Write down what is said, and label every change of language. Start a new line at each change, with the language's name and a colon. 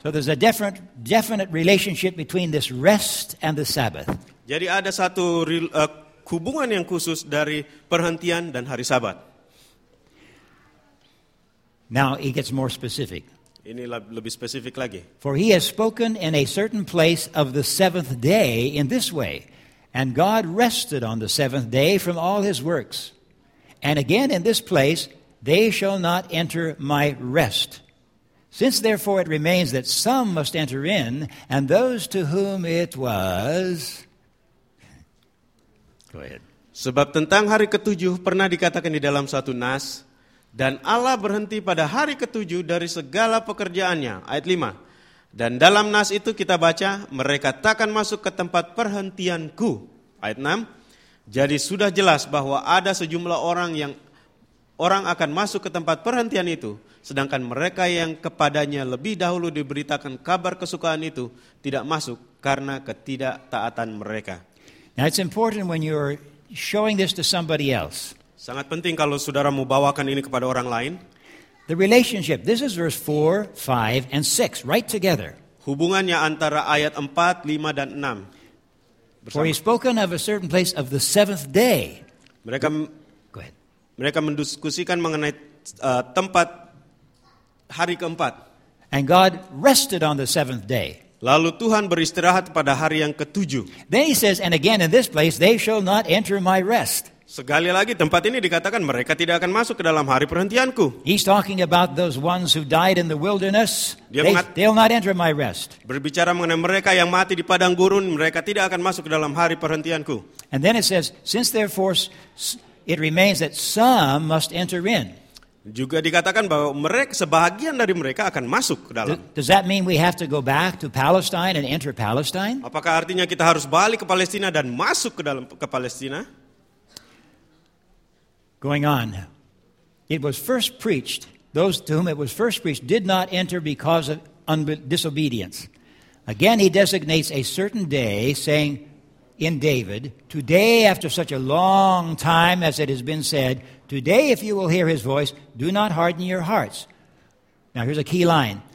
English: So there's a definite relationship between this rest and the Sabbath.
Indonesian: Jadi ada satu hubungan yang khusus dari perhentian dan hari Sabat.
English: Now it gets more specific.
Indonesian: Ini lebih spesifik lagi.
English: For he has spoken in a certain place of the seventh day in this way, and God rested on the seventh day from all his works. And again in this place, they shall not enter my rest. Since therefore it remains that some must enter in, and those to whom it was... Go ahead.
Indonesian: Sebab tentang hari ketujuh pernah dikatakan di dalam satu nas, dan Allah berhenti pada hari ketujuh dari segala pekerjaannya. Ayat 5. Dan dalam nas itu kita baca, mereka takkan masuk ke tempat perhentianku. Ayat 6. Jadi sudah jelas bahwa ada sejumlah orang akan masuk ke tempat perhentian itu, sedangkan mereka yang kepadanya lebih dahulu diberitakan kabar kesukaan itu tidak masuk karena ketidaktaatan mereka.
English: Now it's important when you're showing this to somebody else.
Indonesian: Sangat penting kalau saudara mau bawakan ini kepada orang lain.
English: The relationship. This is verse 4, 5, and 6, right together.
Indonesian: Hubungannya antara ayat 4, 5, dan 6.
English: For he's spoken of a certain place of the seventh day.
Indonesian: Mereka,
English: go ahead.
Indonesian: Mereka mendiskusikan mengenai tempat hari keempat.
English: And God rested on the seventh day.
Indonesian: Lalu Tuhan beristirahat pada hari yang ketujuh.
English: Then he says, and again in this place they shall not enter my rest.
Indonesian: Sekali lagi tempat ini dikatakan mereka tidak akan masuk ke dalam hari perhentianku.
English: He's talking about those ones who died in the wilderness. They'll not enter my rest.
Indonesian: Berbicara mengenai mereka yang mati di padang gurun, mereka tidak akan masuk ke dalam hari perhentianku.
English: And then it says, since therefore it remains that some must enter in.
Indonesian: Juga dikatakan bahwa mereka, sebahagian dari mereka akan masuk ke dalam.
English: Does that mean we have to go back to Palestine and enter Palestine?
Indonesian: Apakah artinya kita harus balik ke Palestina dan masuk ke dalam ke Palestina?
English: Going on. It was first preached, those to whom it was first preached did not enter because of disobedience. Again, he designates a certain day, saying in David, today after such a long time as it has been said, today if you will hear his voice, do not harden your hearts. Now here's a key line.